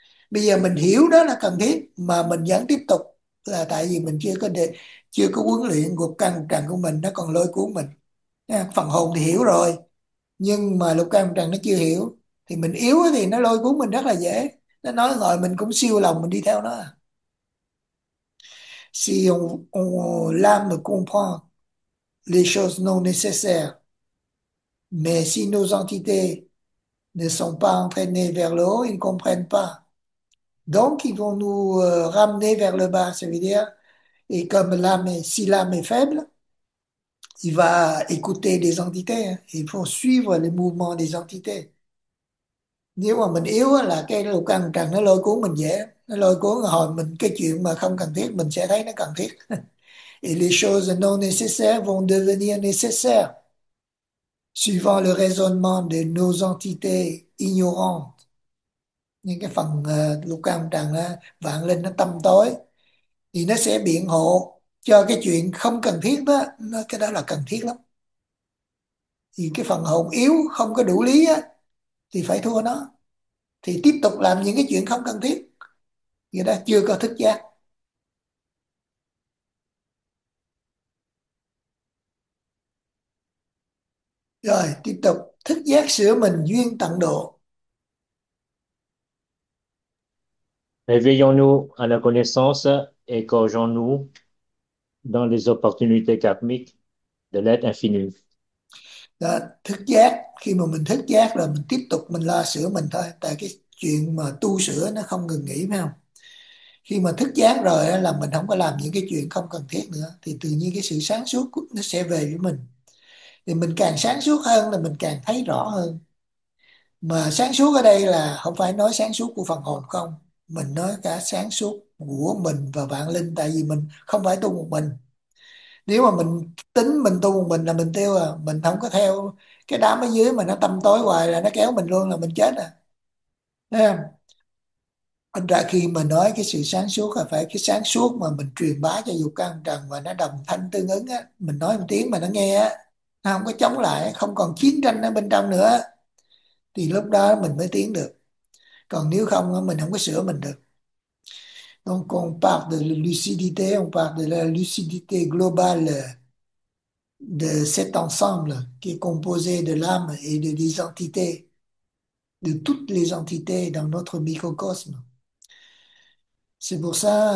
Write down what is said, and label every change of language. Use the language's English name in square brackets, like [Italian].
[Vietnamese] Bây giờ mình hiểu đó là cần thiết mà mình vẫn tiếp tục là tại vì mình chưa có huấn luyện lục căn lục trần của mình, nó còn lôi cuốn mình. Phần hồn thì hiểu rồi nhưng mà lục căn lục trần nó chưa hiểu, thì mình yếu thì nó lôi cuốn mình rất là dễ, nó nói rồi mình cũng siêu lòng mình đi theo nó. [French] Si on l'âme comprend les choses non nécessaires, mais si nos entités ne sont pas entraînées vers le haut, ils ne comprennent pas. Donc, ils vont nous ramener vers le bas, ça veut dire. Et comme l'âme, si l'âme est faible, il va écouter des entités, hein, ils vont suivre les mouvements des entités. [Vietnamese] Nếu mà mình yếu là cái lục căn lục trần nó lôi cuốn mình dễ, nó lôi cuốn hồi mình cái chuyện mà không cần thiết mình sẽ thấy nó cần thiết. [French] Et les choses non nécessaires vont devenir nécessaires suivant le raisonnement de nos entités ignorantes. [Vietnamese] Những cái phần lục căn lục trần vạn linh nó tâm tối thì nó sẽ biện hộ cho cái chuyện không cần thiết đó, nó cái đó là cần thiết lắm. Thì cái phần hồn yếu không có đủ lý á thì phải thua nó, thì tiếp tục làm những cái chuyện không cần thiết, người ta chưa có thức giác. Rồi tiếp tục thức giác sửa mình duyên tận độ. [French] Réveillons-nous à la connaissance et gorgeons-nous dans les opportunités karmiques de l'être infini. [Vietnamese] Đó, thức giác, khi mà mình thức giác rồi mình tiếp tục mình lo sửa mình thôi, tại cái chuyện mà tu sửa nó không ngừng nghỉ, phải không? Khi mà thức giác rồi là mình không có làm những cái chuyện không cần thiết nữa, thì tự nhiên cái sự sáng suốt nó sẽ về với mình. Thì mình càng sáng suốt hơn là mình càng thấy rõ hơn. Mà sáng suốt ở đây là không phải nói sáng suốt của phần hồn không, mình nói cả sáng suốt của mình và vạn linh, tại vì mình không phải tu một mình. Nếu mà mình tính mình tu một mình là mình tiêu à, mình không có theo cái đám ở dưới mà nó tâm tối hoài là nó kéo mình luôn là mình chết à. Thấy không? Anh ra khi mà nói cái sự sáng suốt là phải cái sáng suốt mà mình truyền bá cho dục căn trần và nó đồng thanh tương ứng á, mình nói một tiếng mà nó nghe á, nó không có chống lại, không còn chiến tranh ở bên trong nữa, thì lúc đó mình mới tiến được. Còn nếu không mình không có sửa mình được. [French] Donc on parle de lucidité, on parle de la lucidité globale de cet ensemble qui est composé de l'âme et de des entités, de toutes les entités dans notre microcosme. C'est pour ça,